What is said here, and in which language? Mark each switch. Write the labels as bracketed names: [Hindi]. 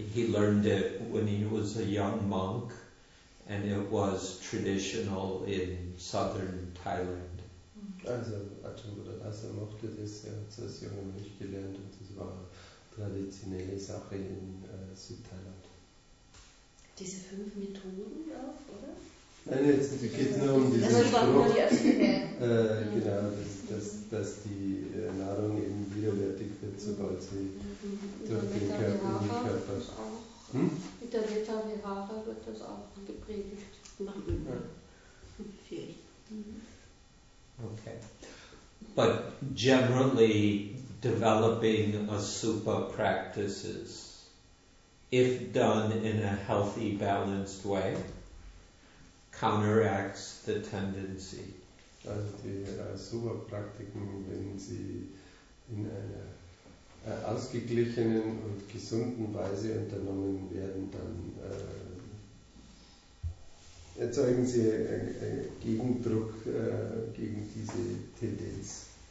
[English] He learned it when he was a young monk, and it was traditional in southern Thailand. [German] Also Ajahn Buddhadasa mochte das, er hat es als junger Mönch gelernt, und das war eine traditionelle Sache in Südthailand. Diese fünf Methoden auch, oder? Nein, jetzt geht es nur um diesen Spruch. Das war nur die genau, dass die Nahrung eben widerwärtig wird, sobald sie durch den Körper in den Körper. Mit der Vita Vihara wird das auch gepredigt. Okay. [English] But generally developing a supa practices, if done in a healthy, balanced way, counteracts the tendency. [German] Also die Supa-Praktiken, wenn sie in einer ausgeglichenen und gesunden Weise unternommen werden, dann erzeugen sie einen Gegendruck gegen diese Tendenz.